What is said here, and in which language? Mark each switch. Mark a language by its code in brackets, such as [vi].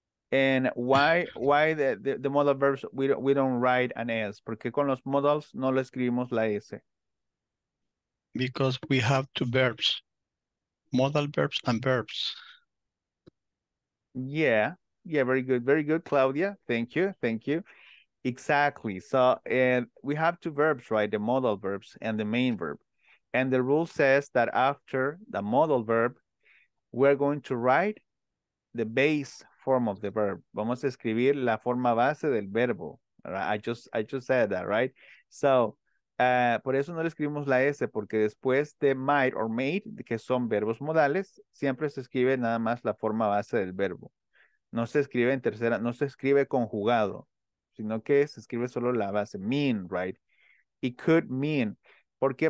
[en] And why the modal verbs we don't write an S? [es] Porque con los modals no le escribimos la S. [en] Because we have two verbs, modal verbs and verbs. Yeah, very good, Claudia. Thank you. Exactly. So and we have two verbs, right? The modal verbs and the main verb. And the rule says that after the modal verb, we're going to write the base form of the verb. [es] Vamos a escribir la forma base del verbo. [en] I just said that, right? [es] So, por eso no le escribimos la S, porque después de might or made, que son verbos modales, siempre se escribe nada más la forma base del verbo. No se escribe en tercera, no se escribe conjugado. Sino que se escribe solo la base, mean, right? [en] It could mean. [es] ¿Por qué?